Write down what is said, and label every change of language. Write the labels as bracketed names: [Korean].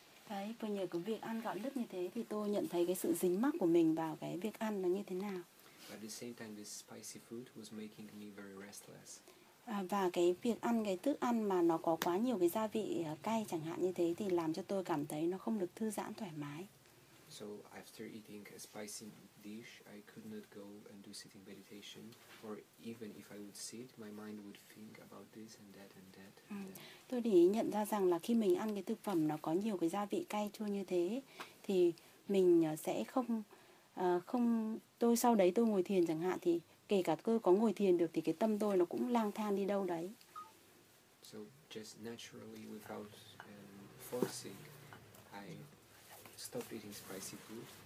[Vietnamese] Đấy, và nhờ cái việc ăn gạo lứt như thế thì tôi nhận thấy cái sự dính mắc của mình vào cái việc ăn là như thế nào. [English] But at the same time, this spicy food was making me very restless. [Vietnamese] Và cái việc ăn cái thức ăn mà nó có quá nhiều cái gia vị cay chẳng hạn như thế thì làm cho tôi cảm thấy nó không được thư giãn thoải mái. [English] So after eating a spicy dish, I could not go and do sitting meditation, or even if I would sit, my mind would think about this and that and that. [Vietnamese] Tôi để ý nhận ra rằng là khi mình ăn cái thực phẩm nó có nhiều cái gia vị cay chua như thế thì mình sẽ không không tôi sau đấy tôi ngồi thiền chẳng hạn thì kể cả tôi có ngồi thiền được thì cái tâm tôi nó cũng lang thang đi đâu đấy. [English] So just naturally without forcing, I stopped eating spicy food.